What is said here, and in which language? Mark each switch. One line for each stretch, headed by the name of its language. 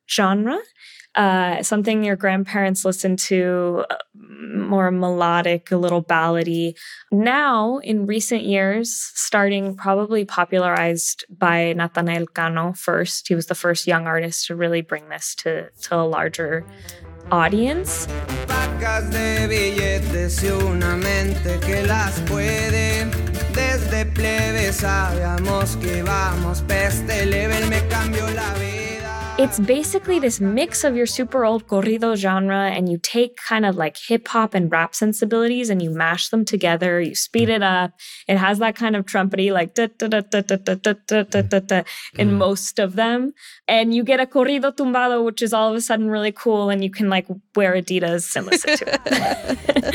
English: genre, something your grandparents listened to, more melodic, a little ballady. Now, in recent years, starting probably popularized by Nathanael Cano first, he was the first young artist to really bring this to a larger audience.
Spanish: Pacas de billetes y una mente que las puede. Desde plebe sabíamos que vamos peste level me cambió la vida.
English: It's basically this mix of your super old corrido genre, and you take kind of like hip hop and rap sensibilities and you mash them together, you speed it up. It has that kind of trumpety, like in most of them. And you get a corrido tumbado, which is all of a sudden really cool, and you can like wear Adidas and listen to it.